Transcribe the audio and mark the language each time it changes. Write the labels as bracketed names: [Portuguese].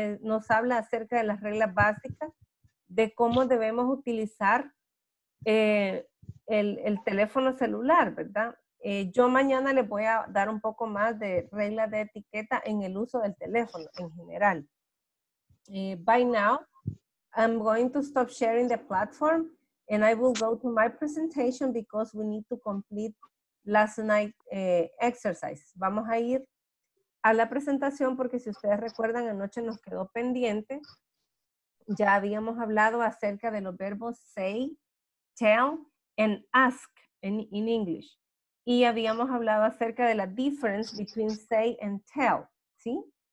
[Spanish] Nos habla acerca de las reglas básicas de cómo debemos utilizar el teléfono celular, ¿verdad? Yo mañana les voy a dar un poco más de regla de etiqueta en el uso del teléfono en general. [English] By now, I'm going to stop sharing the platform and I will go to my presentation because we need to complete last night exercise. [Spanish] Vamos a ir a la presentación porque si ustedes recuerdan, anoche nos quedó pendiente. Ya habíamos hablado acerca de los verbos [English] say, tell, and ask in English. [Spanish] Y habíamos hablado acerca de la [English] difference between say and tell, [Spanish] ¿sí?